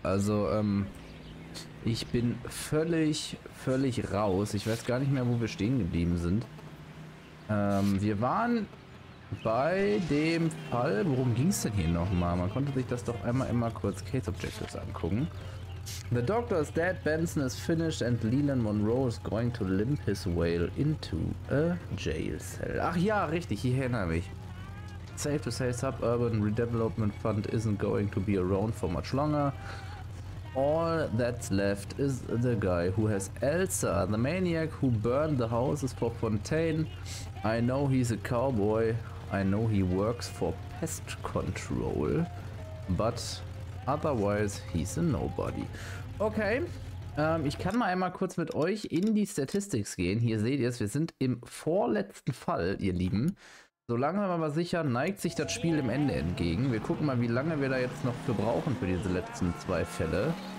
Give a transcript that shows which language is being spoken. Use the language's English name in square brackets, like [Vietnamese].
[German] Also, ich bin völlig raus. Ich weiß gar nicht mehr, wo wir stehen geblieben sind. Wir waren bei dem Fall, worum ging es denn hier nochmal? Man konnte sich das doch einmal immer kurz Case Objectives angucken. [English] The Doctor is dead, Benson is finished and Leland Monroe is going to limp his whale into a jail cell. [German] Ach ja, richtig, ich erinnere mich. [English] Safe to say, Suburban Redevelopment Fund isn't going to be around for much longer. All that's left is the guy who has Elsa, the maniac who burned the houses for Fontaine. I know he's a cowboy. I know he works for pest control, but otherwise he's a nobody. [German] Okay, ich kann mal einmal kurz mit euch in die Statistics gehen. Hier seht ihr es, wir sind im vorletzten Fall, ihr Lieben. So langsam aber sicher neigt sich das Spiel dem Ende entgegen. Wir gucken mal, wie lange wir da jetzt noch für brauchen für diese letzten zwei Fälle.